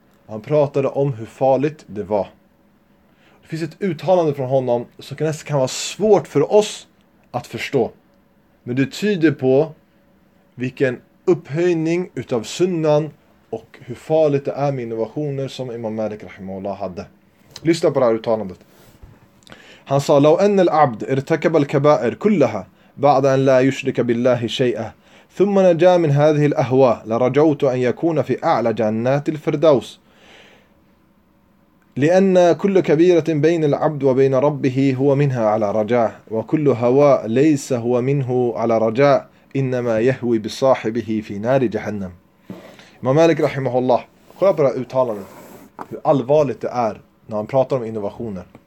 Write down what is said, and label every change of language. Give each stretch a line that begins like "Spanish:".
Swedish: Han pratade om hur farligt det var. Det finns ett uttalande från honom som nästan kan vara svårt för oss att förstå. Men det tyder på vilken upphöjning utav sunnan och hur farligt det är med innovationer som Imam Malik rahimahullah hade. Lyssna på det här uttalandet. Han sa:
Arabic: لو أن العبد ارتكب الكبائر كلها بعد أن لا يشرك بالله شيئا ثم نجا من هذه الأهواء لرجوت أن يكون في أعلى جنات الفردوس لأن كل كبيرة بين العبد وبين ربه هو منها على رجاء وكل هواء ليس هو منه على رجاء إنما يهوي بصاحبه في نار جهنم.
Swedish: إمام مالك رحمه الله
Arabic: قرأ بره
Swedish: uttalandet hur allvarligt det är när han pratar om innovationer.